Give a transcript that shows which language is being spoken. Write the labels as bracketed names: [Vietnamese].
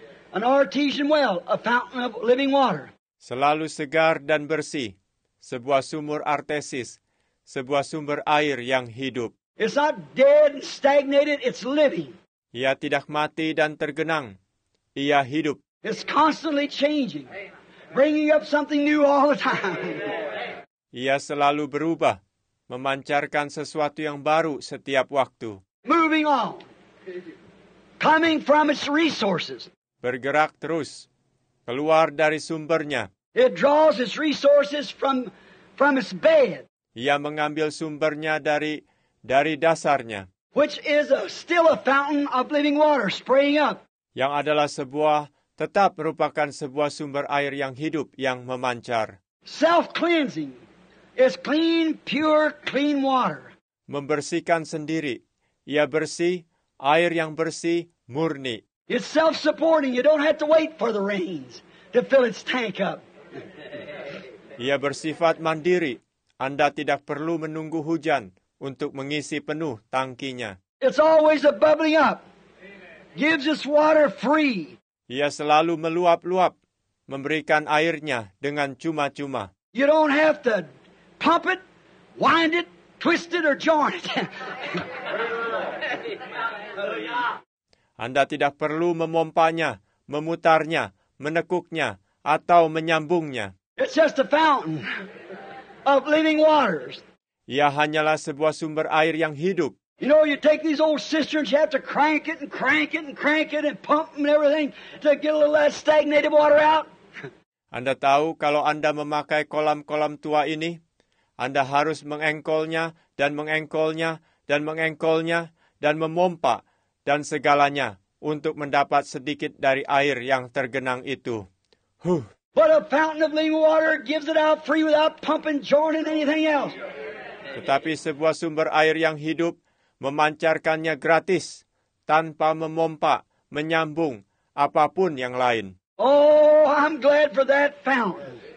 [English] An artesian well, a fountain of living water. [Indonesian] Selalu segar dan bersih. Sebuah sumur artesis. Sebuah sumber air yang hidup. [English] It's not dead and stagnated, it's living. [Indonesian] Ia tidak mati dan tergenang. Ia hidup. [English] It's constantly changing, bringing up something new all the time. [Indonesian] Ia selalu berubah, memancarkan sesuatu yang baru setiap waktu. [English] Moving on, coming from its resources. [Indonesian] Bergerak terus, keluar dari sumbernya. [English] It draws its resources from its bed. [Indonesian] Ia mengambil sumbernya dari dasarnya. [English] Which is still a fountain of living water springing up. [Indonesian] Yang adalah sebuah tetap merupakan sebuah sumber air yang hidup yang memancar. [English] Self-cleansing is clean, pure, clean water. [Indonesian] Membersihkan sendiri, ia bersih, air yang bersih, murni. [English] It's self-supporting. You don't have to wait for the rains to fill its tank up. [Indonesian] Ia bersifat mandiri. Anda tidak perlu menunggu hujan untuk mengisi penuh tangkinya. [English] It's always a bubbling up. Gives us water free. [Indonesian] Ia selalu meluap-luap, memberikan airnya dengan cuma-cuma. [English] You don't have to pump it, wind it, twist it, or join it. [Indonesian] Anda tidak perlu memompanya, memutarnya, menekuknya, atau menyambungnya. [English] It's just a fountain of living waters. [Indonesian] Ia hanyalah sebuah sumber air yang hidup. [English] You know, you take these old cisterns, you have to crank it and crank it and crank it and pump them and everything to get a little less stagnated water out. [Indonesian] Anda tahu kalau Anda memakai kolam-kolam tua ini, Anda harus mengengkolnya dan mengengkolnya dan mengengkolnya dan memompa dan segalanya untuk mendapat sedikit dari air yang tergenang itu. Huh. [English] But a fountain of living water gives it out free without pumping, joining anything else. [Indonesian] Tetapi sebuah sumber air yang hidup memancarkannya gratis, tanpa memompa, menyambung, apapun yang lain. [English] Oh, I'm glad for that fountain.